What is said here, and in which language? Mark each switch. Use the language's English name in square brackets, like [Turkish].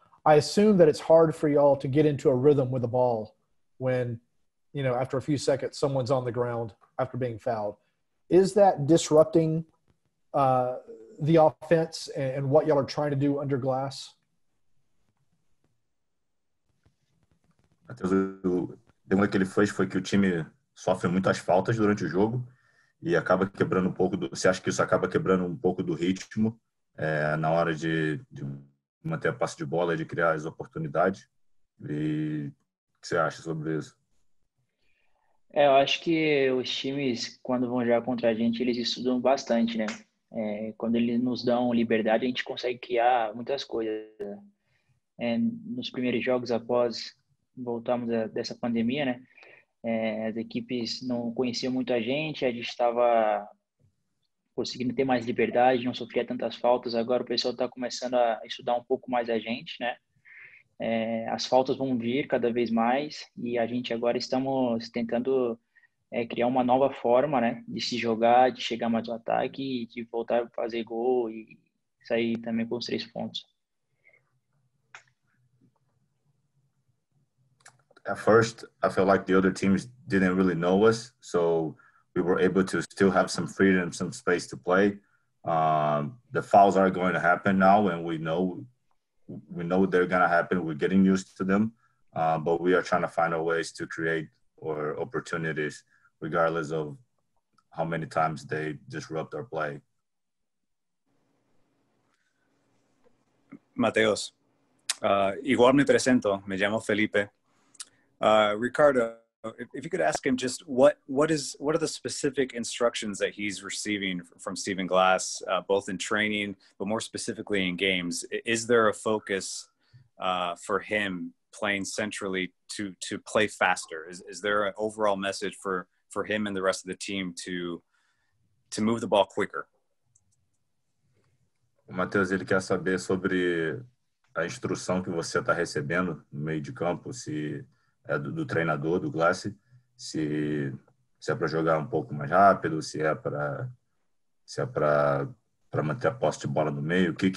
[English] I assume that it's hard for y'all to get into a rhythm with a ball when, you know, after a few seconds, someone's on the ground after being fouled. Is that disrupting the offense and what y'all are trying to do under glass? [Portuguese] Matheus, o problema que ele fez foi que o time sofre muitas faltas durante o jogo. E acaba quebrando um pouco você acha que isso acaba quebrando um pouco do ritmo na hora de manter a passe de bola e de criar as oportunidades? E o que você acha sobre isso? É, eu acho que os times, quando vão jogar contra a gente, eles estudam bastante, né? É, quando eles nos dão liberdade, a gente consegue criar muitas coisas. É, nos primeiros jogos após voltarmos dessa pandemia, né? É, as equipes não conheciam muito a gente estava conseguindo ter mais liberdade, não sofria tantas faltas. Agora o pessoal está começando a estudar um pouco mais a gente, né? É, as faltas vão vir cada vez mais e a gente agora estamos tentando criar uma nova forma, né, de se jogar, de chegar mais no ataque, de voltar a fazer gol e sair também com os 3 pontos. [English] At first, I felt like the other teams didn't really know us, so we were able to still have some freedom, some space to play. The fouls are going to happen now, and we know they're going to happen. We're getting used to them, but we are trying to find our ways to create or opportunities, regardless of how many times they disrupt our play. [Spanish] Mateos, igual me presento, me llamo Felipe. [English] Ricardo, if you could ask him just what are the specific instructions that he's receiving from Steven Glass, both in training, but more specifically in games. Is there a focus for him playing centrally to play faster? Is there an overall message for him and the rest of the team to move the ball quicker? [Portuguese] O Matheus, ele quer saber sobre a instrução que você está recebendo no meio de campo, se é do treinador, do Glass, se é para jogar um pouco mais rápido, se é para manter a posse de bola no meio.